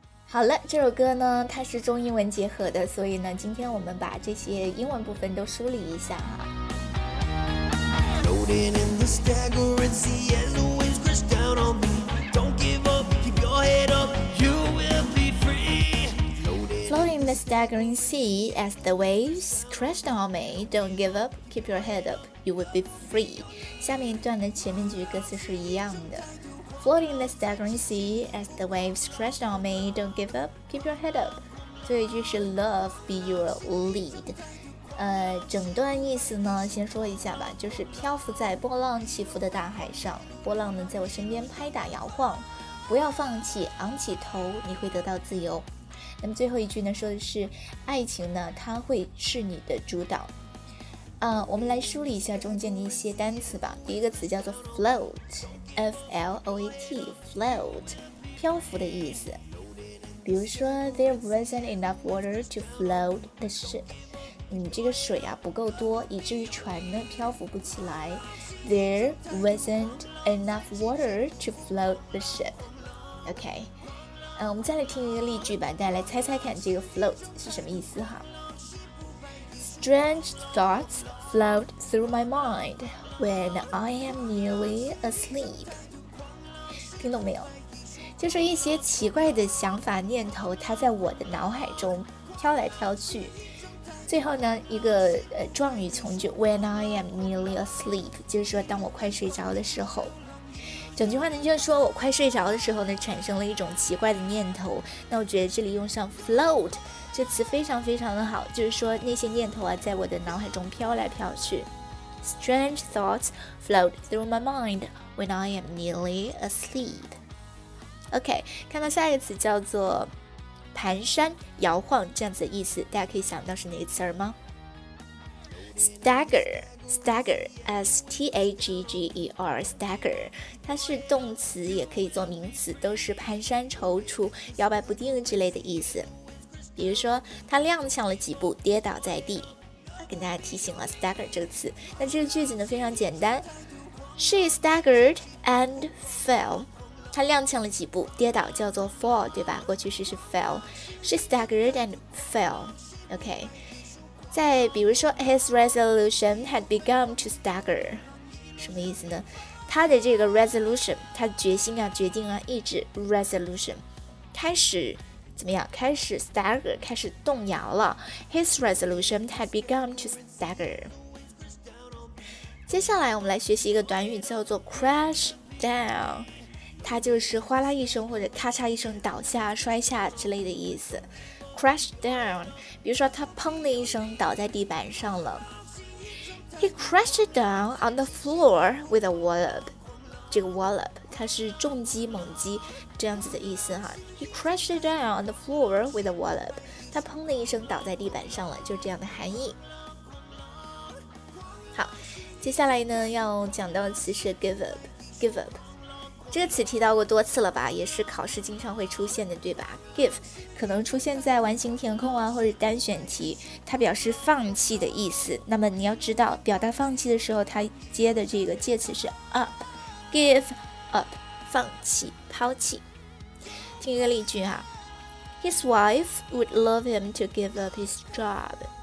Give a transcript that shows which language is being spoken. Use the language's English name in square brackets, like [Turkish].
[Chinese] 好了，这首歌呢，它是中英文结合的，所以呢，今天我们把这些英文部分都梳理一下啊。 [English] Floating the staggering sea as the waves crashed on me, don't give up, keep your head up, you will be free. [Chinese] 下面一段的前面几句歌词是一样的。 [English] Floating the staggering sea as the waves crashed on me, don't give up, keep your head up. [Chinese] 最后一句是 [English] love be your lead. [Chinese] 整段意思呢，先说一下吧，就是漂浮在波浪起伏的大海上，波浪呢在我身边拍打摇晃，不要放弃，昂起头，你会得到自由。那么最后一句呢，说的是爱情呢，它会是你的主导。我们来梳理一下中间的一些单词吧。第一个词叫做 float， F-L-O-A-T， float， 漂浮的意思。比如说 [English] there wasn't enough water to float the ship， [Chinese] 这个水啊不够多，以至于船呢漂浮不起来。 [English] There wasn't enough water to float the ship。 [Chinese] OK， 我们再来听一个例句吧，大家来猜猜看这个 float 是什么意思哈。 [English] Strange thoughts float through my mind when I am nearly asleep. [Chinese] 听懂没有？就是一些奇怪的想法念头，它在我的脑海中飘来飘去。最后呢，一个状语从句 [English] when I am nearly asleep， [Chinese] 就是说当我快睡着的时候。整句话呢，就是说我快睡着的时候呢，产生了一种奇怪的念头。那我觉得这里用上 float。这词非常非常的好，就是说那些念头啊在我的脑海中飘来飘去。 [English] Strange thoughts float through my mind when I am nearly asleep. [Chinese] OK， 看到下一个词叫做蹒跚摇晃，这样子的意思，大家可以想到是哪个词吗？ Stagger， Stagger， S-T-A-G-G-E-R， Stagger， 它是动词也可以做名词，都是蹒跚踌躇，摇摆不定之类的意思。比如说他踉跄了几步跌倒在地，跟大家提醒了 stagger 这个词。那这个句子呢非常简单， [English] She staggered and fell， [Chinese] 他踉跄了几步跌倒叫做 fall， 对吧？过去式是 fell， She staggered and fell。 OK，再比如说 [English] his resolution had begun to stagger， [Chinese] 什么意思呢？他的这个 resolution， 他的决心啊，决定啊，意志 resolution 开始怎么样？开始 stagger， 开始动摇了。 [English] His resolution had begun to stagger。 [Chinese] 接下来我们来学习一个短语，叫做 crash down， 它就是哗啦一声或者咔嚓一声倒下、摔下之类的意思。 Crash down， 比如说他砰的一声倒在地板上了。 [English] He crashed down on the floor with a wallop。 [Chinese] 这个 wallop 它是重击、猛击这样子的意思哈。 [English] He crashed down on the floor with a wallop， [Chinese] 他砰的一声倒在地板上了，就这样的含义。好，接下来呢要讲到的词是 give up， 这个词提到过多次了吧，也是考试经常会出现的对吧。 give 可能出现在完形填空啊，或者单选题，它表示放弃的意思。那么你要知道表达放弃的时候它接的这个介词是 up， give up， 放弃、抛弃。听一个例句啊， [English] His wife would love him to give up his job。